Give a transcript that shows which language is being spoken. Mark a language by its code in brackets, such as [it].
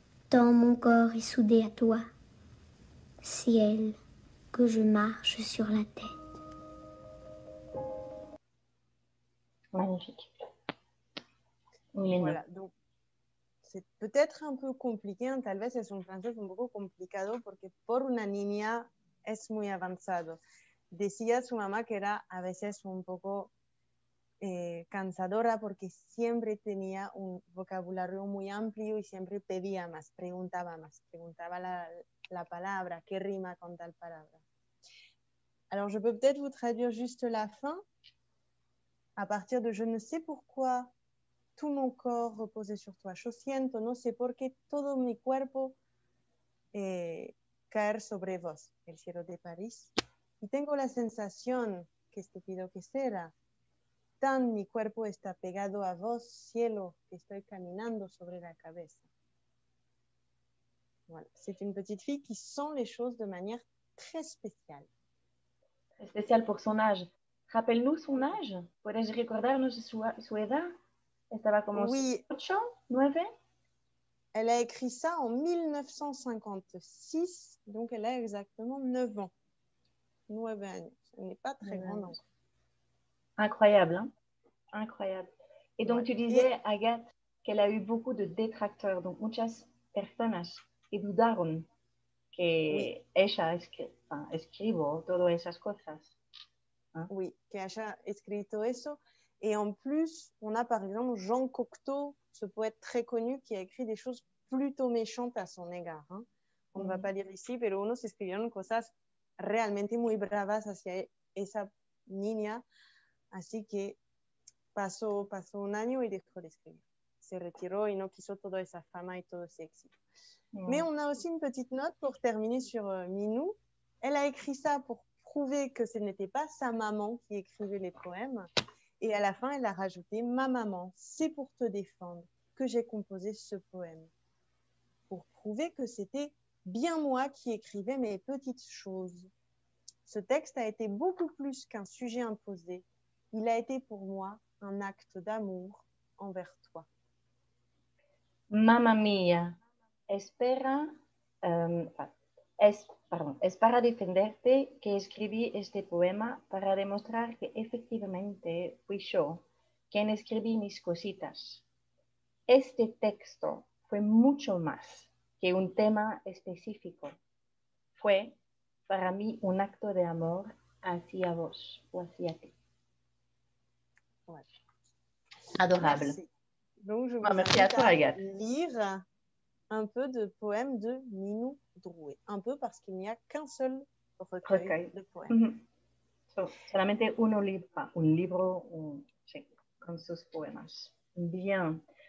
[fr] Tant mon corps est soudé à toi. Ciel, que je marche sur la tête. Magnifique. Voilà, donc, c'est peut-être un peu compliqué. [es] Hein, tal vez es un francés un peu complicado porque por una niña es muy avanzado. Decía su mamá que era a veces un poco cansadora porque siempre tenía un vocabulario muy amplio y siempre pedía más, preguntaba más, preguntaba la palabra, qué rima con tal palabra. [fr] Alors, je peux peut-être vous traduire juste la fin à partir de « Je ne sais pourquoi tout mon corps repose sur toi. [es] Yo siento, no sé por qué todo mi cuerpo caer sobre vos. El cielo de París. Y tengo la sensación, qué estúpido que será, tan mi cuerpo está pegado a vos, cielo, que estoy caminando sobre la cabeza. [fr] Voilà. C'est une petite fille qui sent les choses de manière très spéciale. Très spéciale pour son âge. Rappelle-nous son âge. [es] Puedes recordarnos su edad? Estaba como [fr] oui. 8, 9? Elle a écrit ça en 1956, donc elle a exactement 9 ans. 9 ans, ce n'est pas très grand nombre. Incroyable, hein? Incroyable. Et donc, ouais. Tu disais, Agathe, qu'elle a eu beaucoup de détracteurs, donc muchas personas que dudaron que oui. [es] Ella escribo todas esas cosas. [fr] Hein? [es] Oui, que haya escrito eso. [fr] Et en plus, on a par exemple Jean Cocteau, ce poète très connu qui a écrit des choses plutôt méchantes à son égard. Hein. [es] On ne va pas dire ici, pero unos escribieron cosas realmente muy bravas hacia esa niña. Así que pasó un año y dejó de escribir. Se retiró y no quiso toda esa fama y todo ese éxito. Mm. [fr] Mais on a aussi une petite note pour terminer sur Minou. Elle a écrit ça pour prouver que ce n'était pas sa maman qui écrivait les poèmes. Et à la fin, elle a rajouté « Ma maman, c'est pour te défendre que j'ai composé ce poème. » Pour prouver que c'était bien moi qui écrivais mes petites choses. Ce texte a été beaucoup plus qu'un sujet imposé. Il a été pour moi un acte d'amour envers toi. [es] Mamma mia, espera, es para defenderte que escribí este poema para demostrar que efectivamente fui yo quien escribí mis cositas. Este texto fue mucho más que un tema específico. Fue para mí un acto de amor hacia vos o hacia ti. [fr] Ouais. Adorable. Merci. Donc je vous invite à lire un peu de poème de Minou Drouet. Un peu parce qu'il n'y a qu'un seul recueil okay. de poèmes. [es] Mm-hmm. So, solamente uno libro, un libro con sus poemas. Bien.